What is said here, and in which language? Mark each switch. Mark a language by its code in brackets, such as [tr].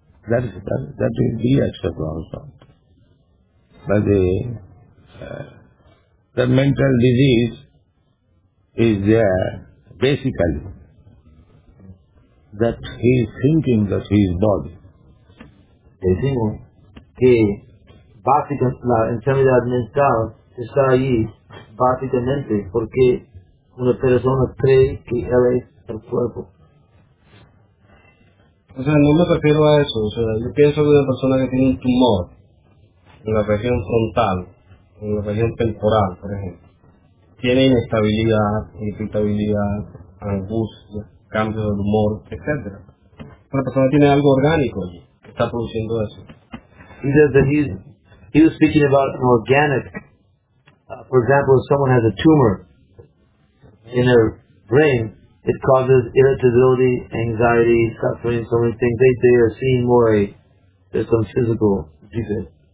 [en] That will be accepted also. But the mental disease is there basically that he is thinking that he is body. [es] Decimos que básicamente la enfermedad mental está allí básicamente porque una persona cree que él es el cuerpo. O sea, no me refiero a eso. O sea, yo pienso que una persona que tiene un tumor en la región frontal, en la región temporal, por ejemplo, tiene inestabilidad, irritabilidad, angustia, cambios de humor, etc. Una persona tiene algo orgánico allí que está produciendo eso. [en] He says that he was speaking about an organic. For example, if someone has a tumor in their brain, it causes irritability, anxiety, suffering, so many things. They are seeing more there's some physical defect.